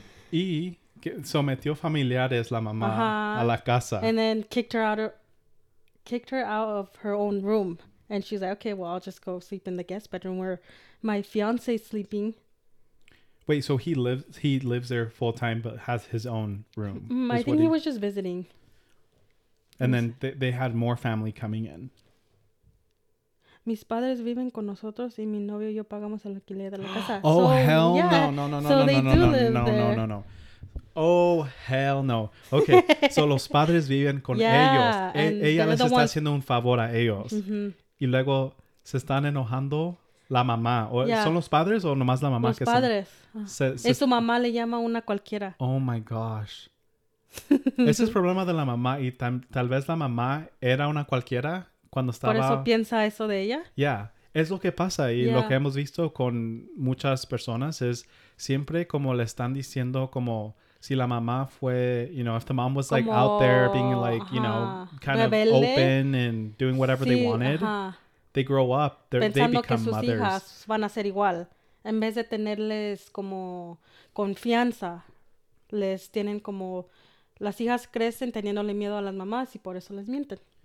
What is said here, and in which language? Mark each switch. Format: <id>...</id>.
<es>Y que sometió familiares la mamá a la casa.</es> <en>And then kicked her out of her own room. And she's like, okay, well, I'll just go sleep in the guest bedroom where my fiancé is sleeping. Wait, so he lives there full time but has his own room. I think he was just visiting. And then they had more family coming in.</en> <es>Mis padres viven con nosotros y mi novio y yo pagamos el alquiler de la casa.</es> <en>Oh, hell no, no, no, no, no, no, no, no, no, no, no. Oh, hell no.</en> <es>Okay, so los padres viven con ellos. Ella les está haciendo un favor a ellos. Y luego se están enojando la mamá. ¿Son los padres o nomás la mamá? Los padres. Es su mamá, le llama una cualquiera.</es> <en>Oh, my gosh.</en> <es>Ese es el problema de la mamá, y tal vez la mamá era una cualquiera cuando estaba... ¿Por eso piensa eso de ella? Es lo que pasa, y lo que hemos visto con muchas personas es siempre como le están diciendo, como si la mamá fue,</es> <en>you know, if the mom was like out there being like, you know, kind</en> <es>rebelde.</es> <en>Of open and doing whatever they wanted, they grow up, they become mothers.</en> <es>Pensando que sus hijas van a ser igual, en vez de tenerles como confianza, les tienen como... Las hijas crecen teniéndole miedo a las mamás y por eso les mienten.</es>